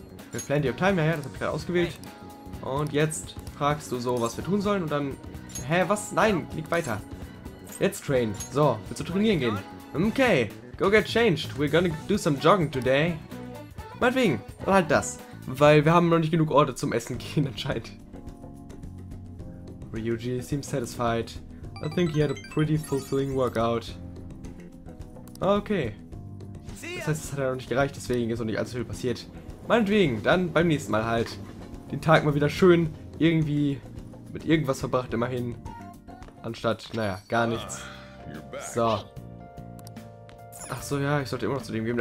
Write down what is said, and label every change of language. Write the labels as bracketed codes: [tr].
[de] Wir planen die auf Time, ja, ja, das habe ich gerade ausgewählt. Und jetzt fragst du so, was wir tun sollen und dann. Hä, was? Nein, lieg weiter. Jetzt train. So, willst du trainieren gehen? [en] Okay, go get changed. We're gonna do some jogging today. [de] Meinetwegen, dann halt das. Weil wir haben noch nicht genug Orte zum Essen gehen anscheinend. [en] Ryuji seems satisfied. I think he had a pretty fulfilling workout. Okay. [de] Das heißt, es hat ja noch nicht gereicht, deswegen ist noch nicht allzu viel passiert. Meinetwegen, dann beim nächsten Mal halt. Den Tag mal wieder schön irgendwie mit irgendwas verbracht immerhin. Anstatt, naja, gar nichts. So. Ach so, ja, ich sollte immer noch zu dem geben.